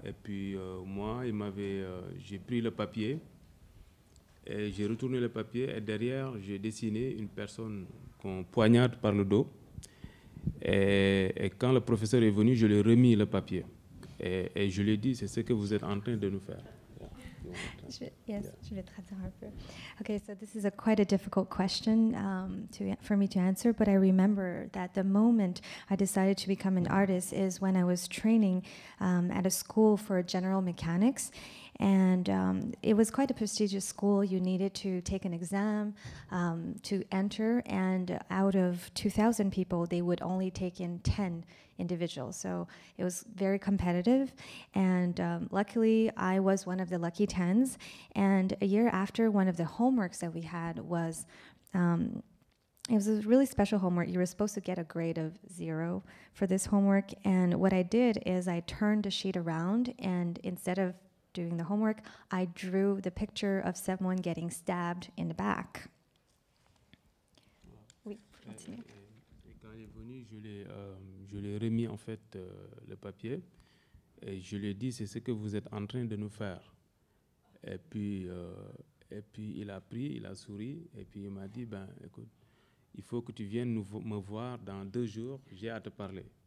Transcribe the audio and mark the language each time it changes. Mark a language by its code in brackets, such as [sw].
[fr] Et puis moi, j'ai pris le papier et j'ai retourné le papier. Et derrière, j'ai dessiné une personne qu'on poignarde par le dos. Et quand le professeur est venu, je lui ai remis le papier. Et je lui ai dit, c'est ce que vous êtes en train de nous faire. [en] Okay, so this is quite a difficult question for me to answer, but I remember that the moment I decided to become an artist is when I was training at a school for general mechanics, and it was quite a prestigious school. You needed to take an exam to enter, and out of 2,000 people, they would only take in 10 individuals, so it was very competitive, and luckily I was one of the lucky 10s. And a year after, one of the homeworks that we had was it was a really special homework. You were supposed to get a grade of 0 for this homework, and what I did is I turned the sheet around, and instead of doing the homework, I drew the picture of someone getting stabbed in the back. [fr] Oui, continue. Je lui ai remis en fait le papier et je lui ai dit c'est ce que vous êtes en train de nous faire. Et puis il a pris, il a souri et puis il m'a dit ben écoute, il faut que tu viennes me voir dans 2 jours, j'ai à te parler.